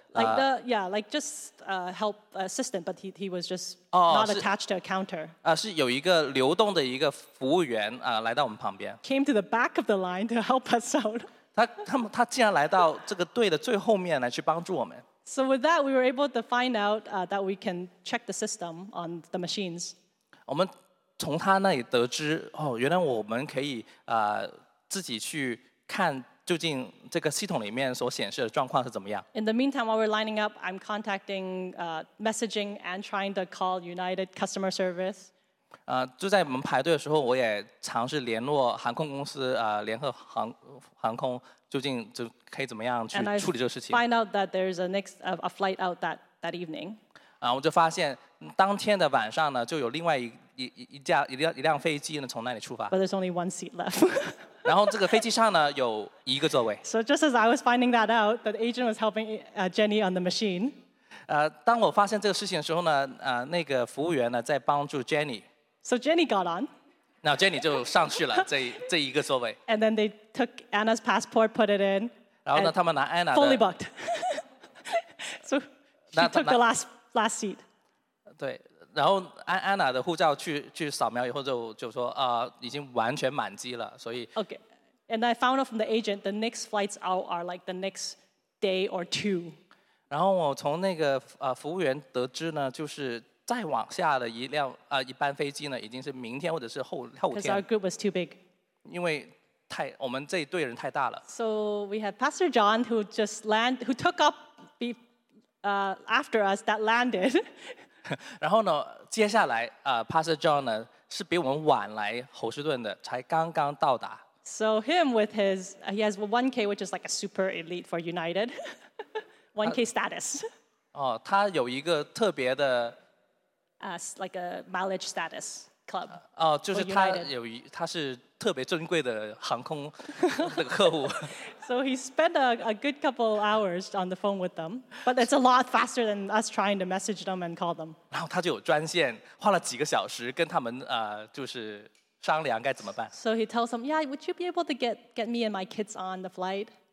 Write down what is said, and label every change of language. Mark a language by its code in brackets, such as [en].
[en] like the yeah like just help assistant, but he was just not attached to a counter. [zh] 是有一个流动的一个服务员来到我们旁边。 [en] Came to the back of the line to help us out. [zh] 他竟然来到这个队的最后面来去帮助我们。 [en] So with that, we were able to find out that we can check the system on the machines. [zh] 我们从他那里得知哦，原来我们可以自己去看。究竟这个系统里面所显示的状况是怎么样 [en] ？In the meantime, while we're lining up, I'm contacting, messaging and trying to call United Customer Service. [zh] 就在我们排队的时候，我也尝试联络航空公司，联合航空，究竟就可以怎么样去处理这个事情 [en] ？Find out that there's a flight out that evening. [zh] 我就发现当天的晚上呢，就有另外一辆飞机呢从那里出发。 [en] But there's only one seat left. [zh] 然后这个飞机上呢有一个座位。 [en] So just as I was finding that out, the agent was helping Jenny on the machine. [zh] 当我发现这个事情的时候呢，那个服务员呢在帮助 Jenny. [en] So Jenny got on. [zh] 那 Jenny 就上去了这一个座位。 [en] And then they took Anna's passport, put it in. [zh] 然后呢，他们拿 Anna 的。 [en] Fully booked. So she took the last seat. [zh] 对。然后安娜的护照去扫描以后就说已经完全满机了，所以 [en] okay, and I found out from the agent the next flights out are like the next day or two. [zh] 然后我从那个服务员得知呢，就是再往下的一班飞机呢，已经是明天或者是后天。 [en] Because our group was too big. [zh] 因为我们这一队人太大了。 [en] So we had Pastor John who took up after us that landed. [zh] 然后呢，接下来Pastor John 呢是比我们晚来侯士顿的，才刚刚到达。 [en] So him with his, he has 1K, which is like a super elite for United, 1K status. [zh] 他有一个特别的 [en] like a mileage status club. [zh] 就是他是特别尊贵的航空的客户。 [en] So he spent a good couple hours on the phone with them, but it's a lot faster than us trying to message them and call them. [zh] 然后他就有专线，花了几个小时跟他们就是商量该怎么办。 [en] So he tells them, "Yeah, would you be able to get me and my kids on the flight?"